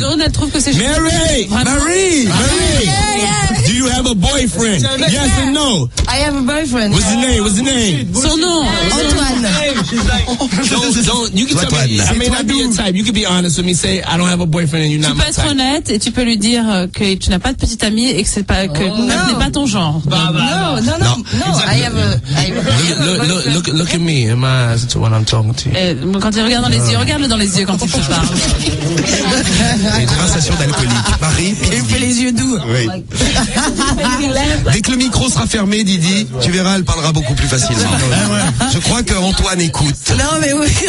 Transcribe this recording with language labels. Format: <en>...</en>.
<fr>Donc, elle trouve que c'est</fr> <en>Mary! Marie! Yeah, yeah. Do you have a boyfriend? boyfriend? Yes or no? I have a boyfriend. What's his name? What's his name?</en> <fr>Son nom. Antoine.</fr> <en>You can tell me. I may not be your type. You can be honest with me. Say I don't have a boyfriend and you're not my type.</en> <fr>Tu peux être honnête et tu peux lui dire que tu n'as pas de petite amie et que c'est pas que ça n'est pas ton genre. Non.</fr> <en>I have a. Look at me. Am I as to what I'm talking to?</en> <fr>Quand tu regardes dans les yeux, regarde-le dans les yeux quand tu te parles. Une conversation d'alcoolique. Marie. Il fait les yeux doux. Oui. Dès que le micro sera fermé, Didi, tu verras, elle parlera beaucoup plus facilement. Je crois que Antoine écoute. Non, mais oui.</fr>